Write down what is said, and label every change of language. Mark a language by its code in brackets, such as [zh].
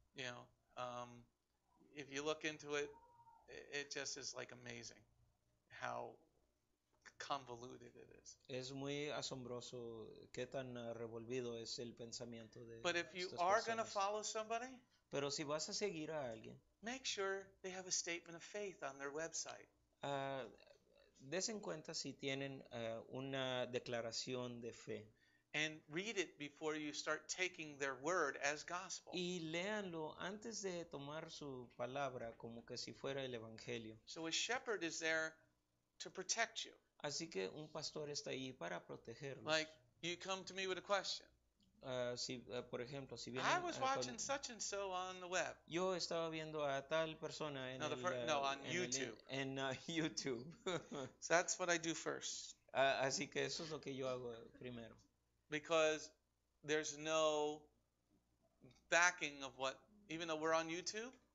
[en] You know, if you look into it, it just is like amazing. How convoluted it is. [es] Es muy asombroso qué tan revolvido es el pensamiento de. [en] But if you are going to follow somebody, [es] pero si vas a seguir a alguien, [en] make sure they have a statement of faith on their website. [es] Des en cuenta si tienen una declaración de fe. [en] And read it before you start taking their word as gospel. [es] Y léanlo antes de tomar su palabra como que si fuera el evangelio. [en] So a shepherd is there to protect you. [es] Así que un pastor está ahí para protegerlos. [en] Like you come to me with a question. [es] Por ejemplo, si vienen, [en] I was watching such and so on the web. [es] Yo estaba viendo a tal persona en YouTube. [en] So that's what I do first. [es] Así que eso es lo que yo hago primero. [en] Because there's no backing of what, even though we're on YouTube.